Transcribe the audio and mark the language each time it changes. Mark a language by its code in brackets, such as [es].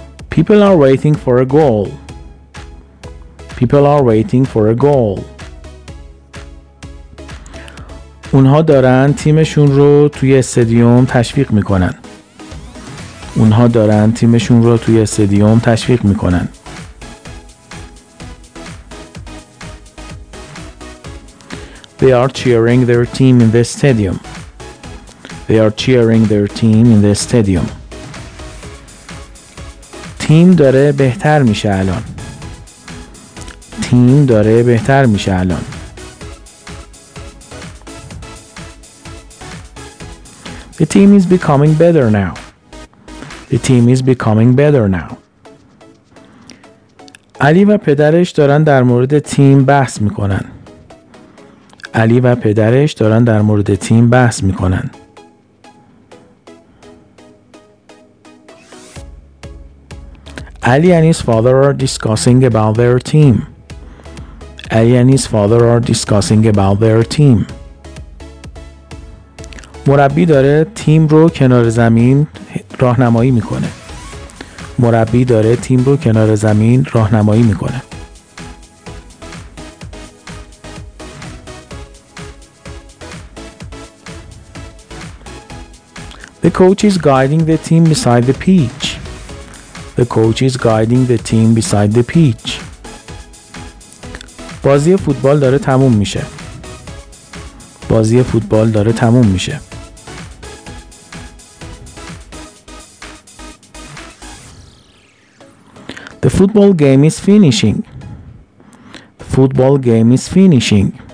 [en] People are waiting for a goal. People are waiting for a goal. [fa] اونها دارن تیمشون رو توی استادیوم تشویق میکنن. اونها دارن تیمشون رو توی استادیوم تشویق میکنن. [en] They are cheering their team in the stadium. They are cheering their team in the stadium. [fa] تیم داره بهتر میشه الان. تیم داره بهتر میشه الان. [en] The team is becoming better now. The team is becoming better now. [fa] علی و پدرش دارن در مورد تیم بحث میکنن. علی و پدرش دارن در مورد تیم بحث میکنن. [en] Ali and his father are discussing about their team. Ali and his father are discussing about their team. [fa] مربی داره تیم رو کنار زمین راهنمایی میکنه. مربی داره تیم رو کنار زمین راهنمایی میکنه. [en] The coach is guiding the team beside the pitch. The coach is guiding the team beside the pitch. [fa] بازی فوتبال داره تموم میشه. بازی فوتبال داره تموم میشه. [en] The football game is finishing. Football game is finishing.